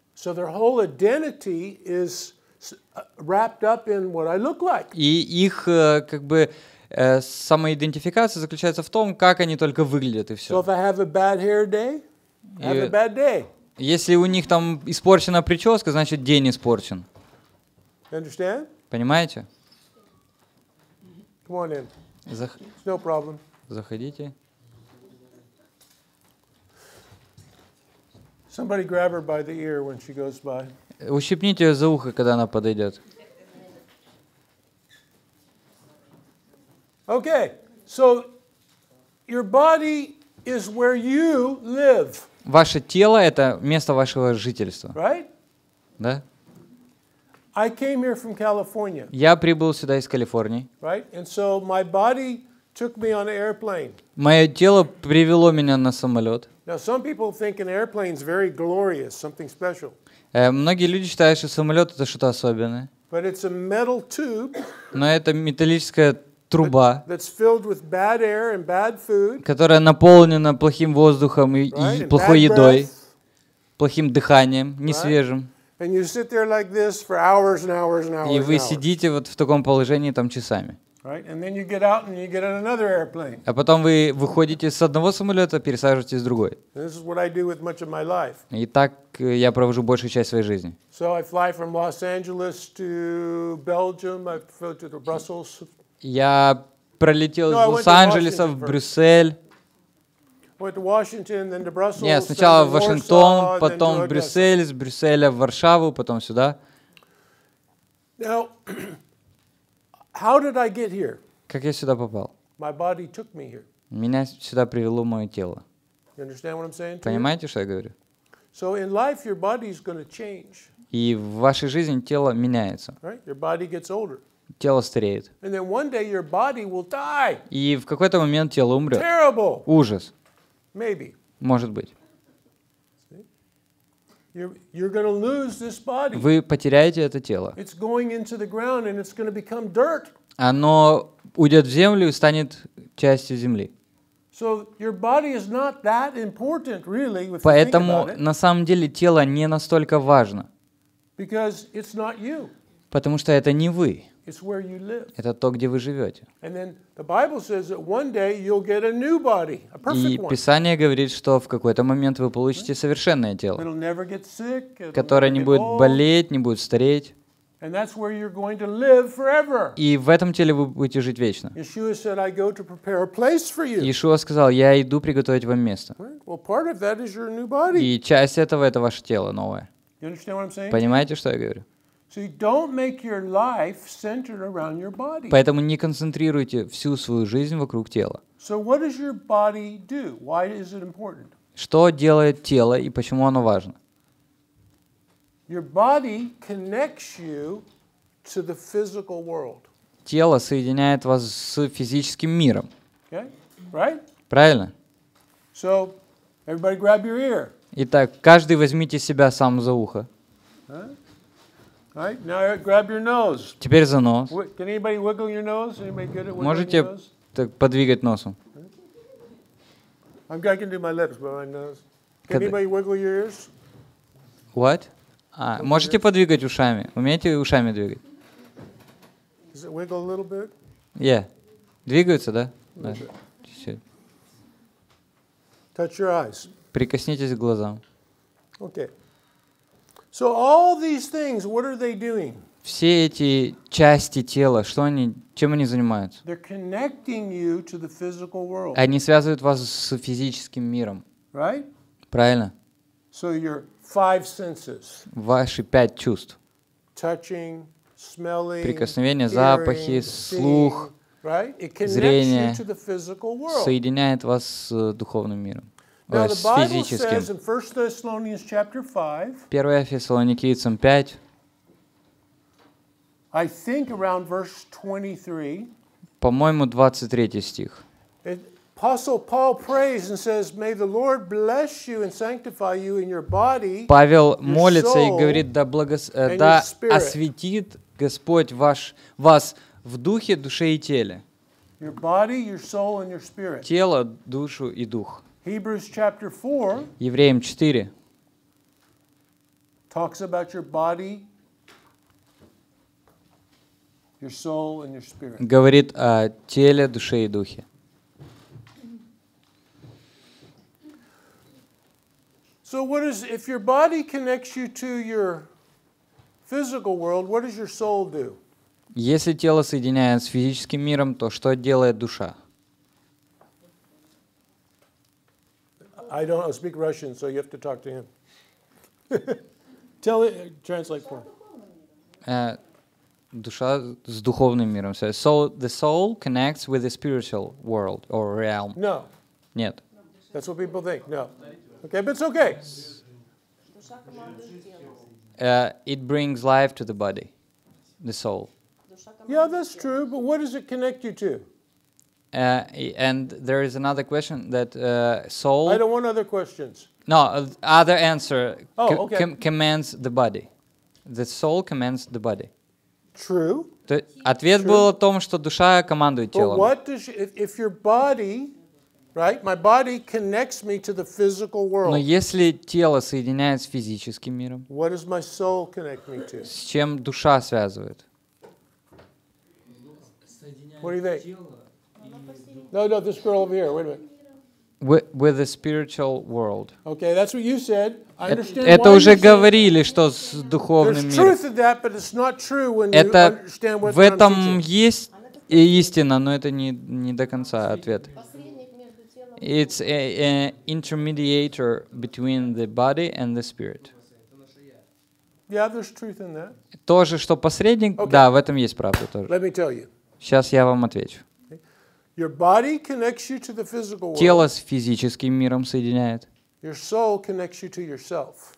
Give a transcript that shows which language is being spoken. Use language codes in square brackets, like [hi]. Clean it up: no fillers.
[en] So their whole identity is wrapped up in what I look like. [ru] И их как бы самоидентификация заключается в том, как они только выглядят, и все. [en] So if I have a bad hair day, I have a bad day. [ru] Если у них там испорчена прическа, значит, день испорчен. [en] Understand? [ru] Понимаете? [en] Come on in. No problem. [ru] Заходите. [en] Somebody grab her by the ear when she goes by. [ru] Ущипните ее за ухо, когда она подойдет. [en] Okay, so your body is where you live. [ru] Ваше тело — это место вашего жительства. [en] Right? [ru] Да. [en] I came here from California. [ru] Я прибыл сюда из Калифорнии. [en] Right? And so my body took me on an airplane. [ru] Мое тело привело меня на самолет. [en] Now some people think an airplane is very glorious, something special. [ru] Многие люди считают, что самолет — это что-то особенное. [en] But it's a metal tube. [ru] Но это металлическая труба. [en] That's filled with bad air and bad food. [ru] Которая наполнена плохим воздухом и плохой едой, плохим дыханием, несвежим. [en] And you sit there like this for hours and hours and hours. [ru] И вы сидите вот в таком положении там часами. [en] Right? And then you get out and you get on another airplane. [ru] А потом вы выходите с одного самолета, пересаживаетесь в другой. [en] This is what I do with much of my life. [ru] И так я провожу большую часть своей жизни. [en] So I fly from Los Angeles to Belgium. I flew to Brussels. [ru] Я пролетел из Лос-Анджелеса в Брюссель. Нет, сначала в Вашингтон, потом в Брюссель, из Брюсселя в Варшаву, потом сюда. [en] Now, how did I get here? [ru] Как я сюда попал? [en] My body took me here. [ru] Меня сюда привело мое тело. [en] You understand what I'm saying? [ru] Понимаете, что я говорю? [en] So in life your body is going to change. [ru] И в вашей жизни тело меняется. [en] Right? Your body gets older. [ru] Тело стареет. [en] And then one day your body will die. [ru] И в какой-то момент тело умрет. [en] Terrible. [ru] Ужас. [en] Maybe. [ru] Может быть. [en] You're going to lose this body. [ru] Вы потеряете это тело. [en] It's going into the ground and it's going to become dirt. [ru] Оно уйдет в землю и станет частью земли. [en] So your body is not that important, really. [ru] Поэтому на самом деле тело не настолько важно. [en] Because it's not you. [ru] Потому что это не вы. [en] It's where you live. [ru] Это то, где вы живете. [en] And then the Bible says that one day you'll get a new body, a perfect one. [ru] И Писание говорит, что в какой-то момент вы получите совершенное тело, [en] it'll never get sick, it'll [ru] которое не будет болеть, не будет стареть. [en] And that's where you're going to live forever. [ru] И в этом теле вы будете жить вечно. [en] Yeshua said, "I go to prepare a place for you." [ru] Иешуа сказал, я иду приготовить вам место. [en] Well, part of that is your new body. [ru] И часть этого это ваше тело новое. [en] You understand what I'm saying? [ru] Понимаете, что я говорю? [en] So don't make your life centered around your body. [ru] Поэтому не концентрируйте всю свою жизнь вокруг тела. [en] So what does your body do? Why is it important? [ru] Что делает тело и почему оно важно? [en] Your body connects you to the physical world. [ru] Тело соединяет вас с физическим миром. [en] Okay? Right? [ru] Правильно? [en] So everybody grab your ear. [ru] Итак, каждый возьмите себя сам за ухо. [en] Right? Now grab your nose. [ru] Теперь за нос. [en] Can anybody wiggle your nose? Anybody good at wiggling [ru] Можете [en] your nose? [ru] Так подвигать носом. [en] I'm going to do my lips, but my nose. Can anybody wiggle your ears? What? [ru] А, можете ears? Подвигать ушами? Умеете ушами двигать? [en] Does it wiggle a little bit? Yeah. [ru] Двигаются, да? Да. [en] Touch your eyes. [ru] Прикоснитесь к глазам. [en] Okay. So all these things, what are they doing? [ru] Все эти части тела, что они, чем они занимаются? [en] They're connecting you to the physical world. [ru] Они связывают вас с физическим миром. [en] Right? [ru] Правильно? [en] So your five senses. [ru] Ваши пять чувств. [en] Touching, smelling, [ru] прикосновение, запахи, [en] hearing, [ru] слух, [en] right? It connects [ru] зрение. [en] You to the physical world. [ru] Соединяет вас с духовным миром. [en] Now the Bible says in 1 Thessalonians chapter 5. [ru] 1 Фессалоникийцам 5. [en] I think around verse 23. [ru] По-моему, 23 стих. [en] Apostle Paul prays and says, "May the Lord bless you and sanctify you in your body." [ru] Павел молится и говорит: "Да освятит Господь вас в духе, душе и теле." [en] Your body, your soul and your spirit. [ru] Тело, душу и дух. [en] Hebrews chapter 4. [ru] Евреям 4. [en] Talks about your body, your soul and your spirit. [ru] Говорит о теле, душе и духе. [en] So what is if your body connects you to your physical world, what does your soul do? [ru] Если тело соединяет с физическим миром, то что делает душа? [en] I don't speak Russian, so you have to talk to him. Tell it, translate for. [ru] Душа с духовным миром. [en] So the soul connects with the spiritual world or realm. No. [ru] Нет. [en] That's what people think. No. Okay, but it's okay. It brings life to the body, the soul. Yeah, that's true. But what does it connect you to? And there is another question that soul. I don't want other questions. No, other answer. Commands the body. The soul commands the body. True. [ru] Ответ был о том, что душа командует телом. [en] But what does she, if your body Right? My body connects me to the physical world. [ru] Но если тело соединяет с физическим миром, [en] what does my soul connect me to? [ru] С чем душа связывает? [en] What do you think? No, no, this girl over here. Wait a minute. With the spiritual world. Okay, that's what you said. I understand. [ru] Это уже говорили, что с духовным миром. [en] There's truth in that, but it's not true when you understand what I'm [ru] В этом есть истина, но это не до конца ответ. [en] It's an intermediator between the body and the spirit. Yeah, there's truth in that. [ru] То же, что посредник, okay. Да, в этом есть правда тоже. [en] Let me tell you. [ru] Сейчас я вам отвечу. [en] Your body connects you to the physical world. [ru] Тело с физическим миром соединяет. [en] Your soul connects you to yourself.